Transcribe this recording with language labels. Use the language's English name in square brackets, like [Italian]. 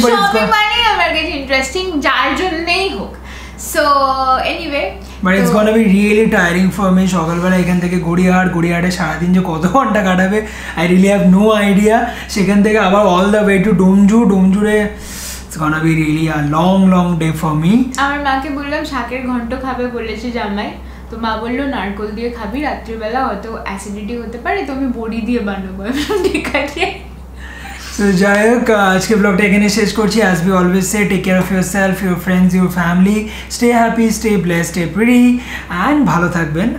[English] but it's gonna [Bangla] মানে আমার কাছে ইন্টারেস্টিং যার জন্যই হোক, [English] so anyway but it's gonna be really tiring for me, [Bangla] সকালবেলা এখান থেকে গড়িয়াহাট, গড়িয়াহাটে সারাদিন যে কত ঘন্টা কাটাবে [English] I really have no idea, [Bangla] সেখান থেকে আবার [English] All the way to Domjur, ডোমজুরে gonna be really a long long day for me. [Bangla] আমার মাকে বললাম শাকের ঘন্ট খাবে বলেছে জামাই, তো মা বললো নারকল দিয়ে খাবি রাত্রিবেলা, হয়তো অ্যাসিডিটি হতে পারে, তুমি বড়ি দিয়ে বানাবো দেখাচ্ছে। [English] So, [Bangla] যাই হোক, আজকে ব্লগটা এখানে শেষ করছি। [English] as we always say, take care of yourself, your friends, your family, stay happy, stay blessed, stay pretty and [Bangla] ভালো থাকবেন।